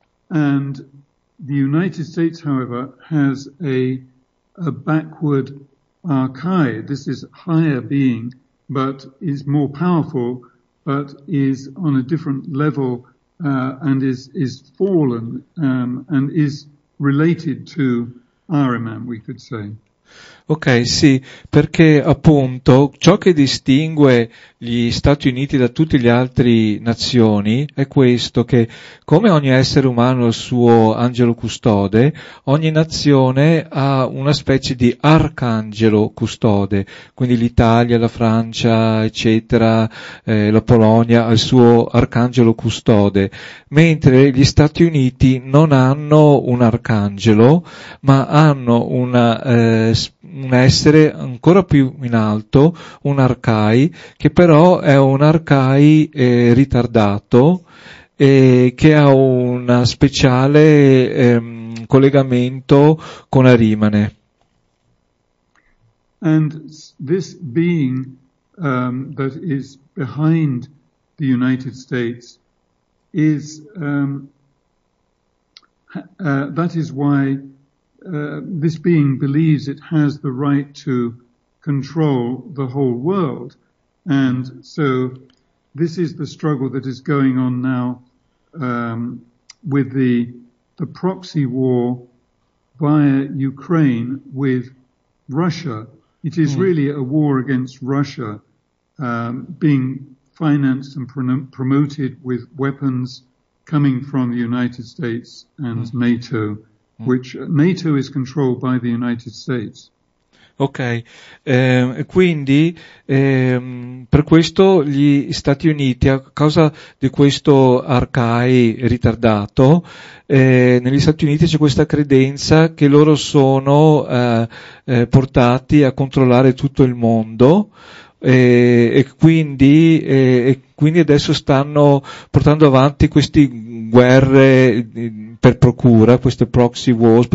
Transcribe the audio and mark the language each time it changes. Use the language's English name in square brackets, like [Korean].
[English] And the United States, however, has a backward archai. This is a higher being, but is more powerful, but is on a different level, and is fallen, and is related to Ahrimane, we could say. [Italian] Ok, sì, perché appunto ciò che distingue gli Stati Uniti da tutte le altre nazioni è questo, che come ogni essere umano ha il suo angelo custode, ogni nazione ha una specie di arcangelo custode, quindi l'Italia, la Francia, eccetera, la Polonia ha il suo arcangelo custode, mentre gli Stati Uniti non hanno un arcangelo, ma hanno un essere ancora più in alto, un arcai, che però è un arcai ritardato, che ha un speciale collegamento con Ahrimane. [English] And this being that is behind the United States is That is why this being believes it has the right to control the whole world. And so this is the struggle that is going on now with the proxy war via Ukraine with Russia. It is really a war against Russia, being financed and promoted with weapons coming from the United States and NATO, which NATO is controlled by the United States. [Italian] Ok, quindi per questo gli Stati Uniti, a causa di questo Arcai ritardato, negli Stati Uniti c'è questa credenza che loro sono portati a controllare tutto il mondo, e quindi adesso stanno portando avanti queste guerre per procura, queste proxy wars.